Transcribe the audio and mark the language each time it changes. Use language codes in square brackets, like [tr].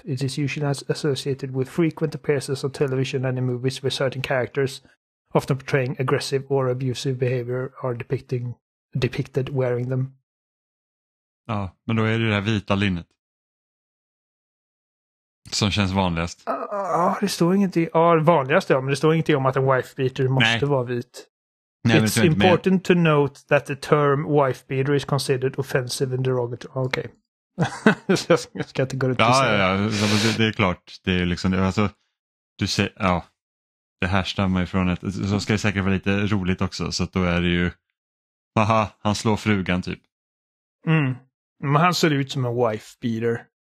[en] It is usually associated with frequent appearances on television and in movies where certain characters, often portraying aggressive or abusive behavior, are depicted wearing them. [sv] Ja, men då är det ju det vita linnet. Som känns vanligast. Ja, det står ingenting. Ja, vanligast, ja, men det står ingenting om att en wife beater måste vara vit. Nej, [en] it's important to note that the term wife beater is considered offensive and derogatory. [sv] Okej. Okay. Jag ska inte gå ut och säga. Ja, det är klart. Det är liksom, alltså, du ser, ja, det här stammar ifrån ett, så ska det säkert vara lite roligt också, så att då är det ju, aha, han slår frugan typ. Men han ser ut som en wife beater.